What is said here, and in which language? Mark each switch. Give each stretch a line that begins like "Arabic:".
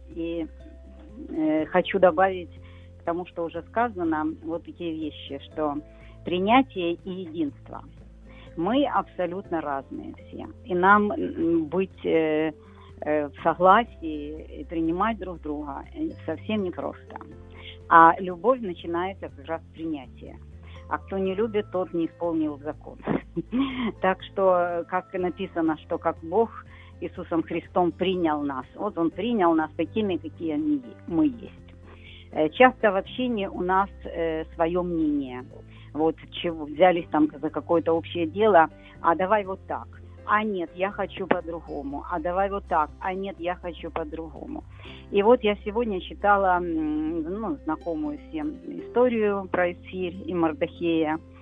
Ukrainian: І хочу добавить к тому, що вже сказано, от такі речі, що прийняття і єдинство. Ми абсолютно різні всі. І нам бути в согласі і приймати друг друга зовсім непросто. А любов починається якраз з прийняття.
Russian: А кто не любит, тот не исполнил закон. Так что, как написано, что как Бог
Ukrainian: Ісусом Христом прийняв нас. От Він прийняв нас такими, які ми є.
Russian: Часто в общине у нас своё мнение. Вот, чего взялись там за какое-то общее дело, а давай вот так. А нет, я хочу по-другому. А давай вот так. А нет, я хочу по-другому. И вот я сегодня читала, ну, знакомую всем историю про Эстерь и Мордехая.